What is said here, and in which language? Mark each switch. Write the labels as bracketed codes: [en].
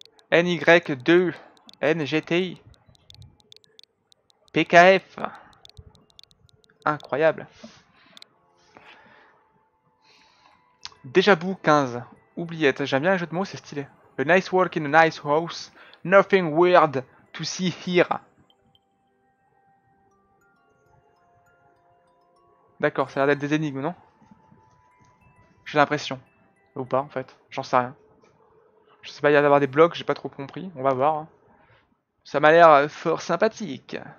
[fr] NY2, NGTI, PKF. Incroyable. Déjà bout 15. Oubliette, j'aime bien les jeux de mots, c'est stylé. [en] A nice walk in a nice house. Nothing weird to see here. [fr] D'accord, ça a l'air d'être des énigmes, non? J'ai l'impression. Ou pas en fait, j'en sais rien. Je sais pas, il y a d'avoir des blocs, j'ai pas trop compris. On va voir. Ça m'a l'air fort sympathique.